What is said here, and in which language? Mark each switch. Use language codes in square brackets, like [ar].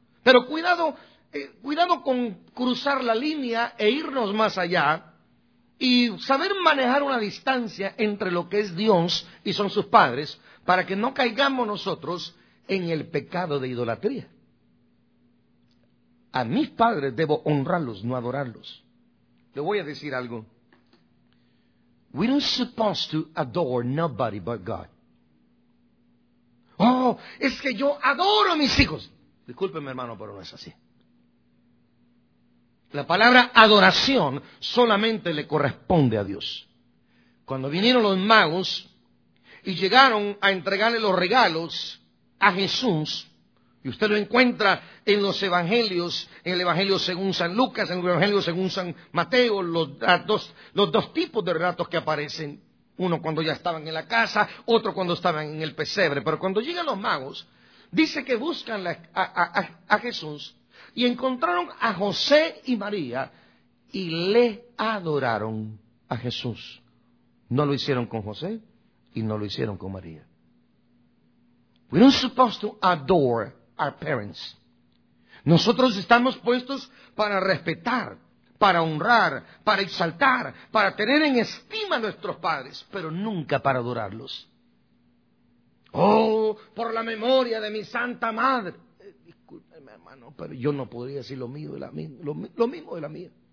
[es] Pero cuidado, cuidado con cruzar la línea e irnos más allá y saber manejar una distancia entre lo que es Dios y son sus padres para que no caigamos nosotros en el pecado de idolatría. A mis padres debo honrarlos, no adorarlos. Le voy a decir algo. [en] We don't supposed to adore nobody but God. [es] Oh, es que yo adoro a mis hijos. Discúlpeme, hermano, pero no es así. La palabra adoración solamente le corresponde a Dios. Cuando vinieron los magos y llegaron a entregarle los regalos a Jesús, y usted lo encuentra en los evangelios, en el evangelio según San Lucas, en el evangelio según San Mateo, los dos tipos de relatos que aparecen, uno cuando ya estaban en la casa, otro cuando estaban en el pesebre. Pero cuando llegan los magos, dice que buscan a Jesús, y encontraron a José y María y le adoraron a Jesús. No lo hicieron con José y no lo hicieron con María. [en] We don't supposed to adore our parents. [es] Nosotros estamos puestos para respetar, para honrar, para exaltar, para tener en estima a nuestros padres, pero nunca para adorarlos. Oh, por la memoria de mi santa madre. Discúlpeme, hermano, pero yo no podría decir lo mismo de la mía.